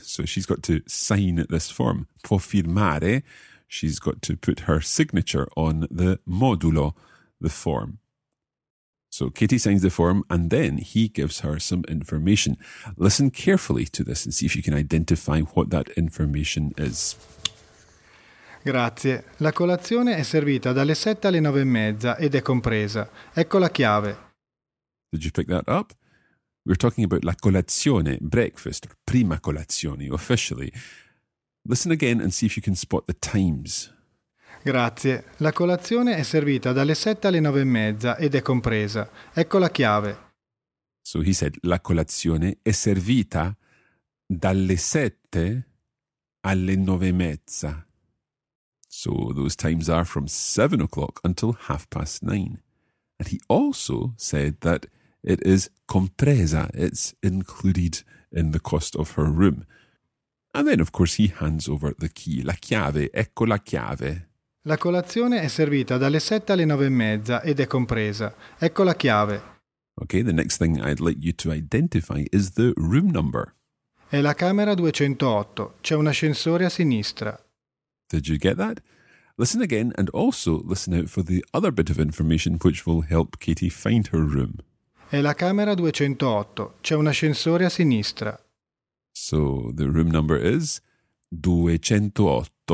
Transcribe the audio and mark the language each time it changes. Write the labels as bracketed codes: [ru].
[en] So she's got to sign this form. [it] Può firmare, [en] she's got to put her signature on the modulo, the form. So Katie signs the form and then he gives her some information. Listen carefully to this and see if you can identify what that information is. [it] Grazie. La colazione è servita dalle 7 alle 9 e mezza ed è compresa. Ecco la chiave. [en] Did you pick that up? We're talking about la colazione, breakfast, prima colazione, officially. Listen again and see if you can spot the times. [it] Grazie. La colazione è servita dalle 7 alle 9 e mezza ed è compresa. Ecco la chiave. [en] So he said, [it] la colazione è servita dalle 7 alle 9 e mezza. [en] So those times are from 7 o'clock until 9:30. And he also said that it is compresa, it's included in the cost of her room. And then, of course, he hands over the key, la chiave, [it] ecco la chiave. La colazione è servita dalle 7 alle 9 e mezza ed è compresa, ecco la chiave. [en] Okay, the next thing I'd like you to identify is the room number. [it] È la camera 208, c'è un ascensore a sinistra. [en] Did you get that? Listen again and also listen out for the other bit of information which will help Katie find her room. [it] È la camera 208. C'è un ascensore a sinistra. [en] So the room number is 208.